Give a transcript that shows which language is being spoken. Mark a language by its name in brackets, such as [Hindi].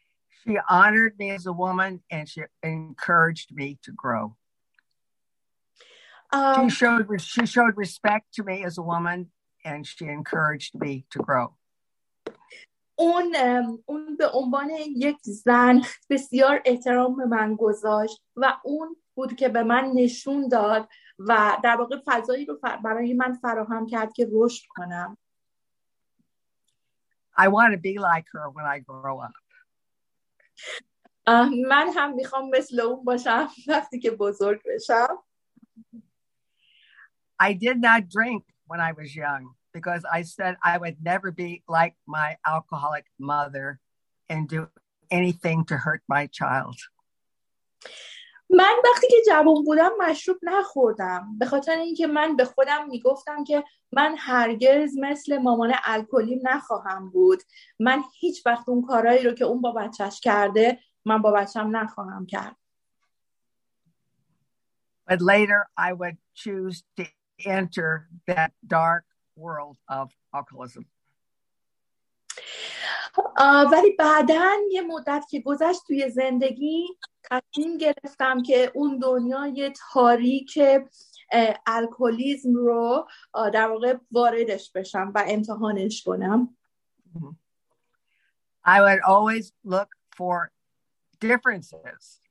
[English] She honored me as a woman and she encouraged me to grow. She showed respect to me as a woman and she encouraged me to grow. [Persian] اون به عنوان یک زن بسیار احترام به من گذاشت و اون بود که به من نشون داد و در واقع فضایی رو برای من فراهم کرد که رشد کنم. [English] I want to be like her when I grow up. [Persian] من هم میخوام مثل اون باشم وقتی که بزرگ بشم. [English] I did not drink when I was young because I said I would never be like my alcoholic mother and do anything to hurt my child. [Persian] من وقتی که جوان بودم مشروب نخوردم به خاطر اینکه من به خودم میگفتم که من هرگز مثل مامان الکلی نخواهم بود. من هیچ وقت اون کارهایی رو که اون با بچهش کرده من با بچه‌م نخواهم کرد. [English] But later I would choose to enter that dark world of alcoholism. [Persian] ولی بعداً یه مدت که گذشت توی زندگی تصمیم گرفتم که اون دنیای تاریک الکلیسم رو در واقع واردش بشم و امتحانش کنم. [English] I would always look for differences.